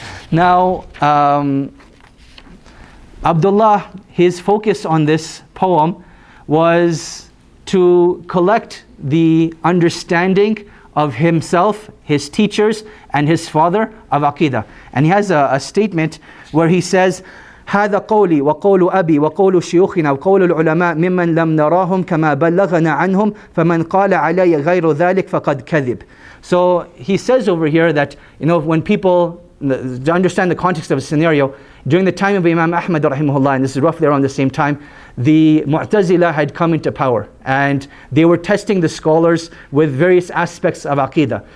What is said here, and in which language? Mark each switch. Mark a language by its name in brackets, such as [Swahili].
[English] Now, Abdullah, his focus on this poem was to collect the understanding of himself, his teachers, and his father of Aqidah. And he has a statement where he says, [Arabic] هذا قولي وقول أبي وقول شيوخنا وقول العلماء ممن لم نراهم كما بلغنا عنهم فمن قال علي غير ذلك فقد كذب. [English] So he says over here that, you know, when people, to understand the context of a scenario, during the time of Imam Ahmad rahimahullah, and this is roughly around the same time, the Mu'tazila had come into power and they were testing the scholars with various aspects of Aqidah.